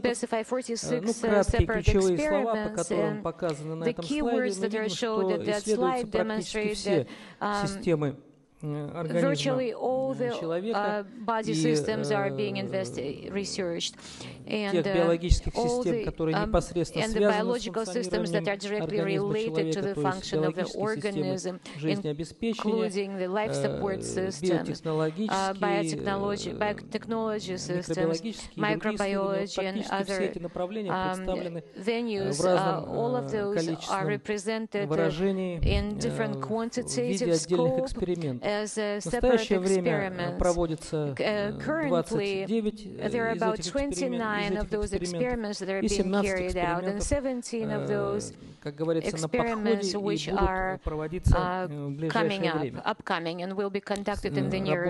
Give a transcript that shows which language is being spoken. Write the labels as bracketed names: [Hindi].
[Russian] Ну, краткие ключевые слова, по которым показаны на этом слайде, мы видим, что исследуются практически все системы [English] virtually all the body systems are being researched, and all the biological systems that are directly related to the function of the organism, including the life support systems, biotechnology systems, microbiology, and other venues. All of those are represented in different quantitative scope. [Russian] Настоящее время проводится 29 из этих экспериментов и 17 экспериментов, как говорится, на подходе и будут проводиться в ближайшее время.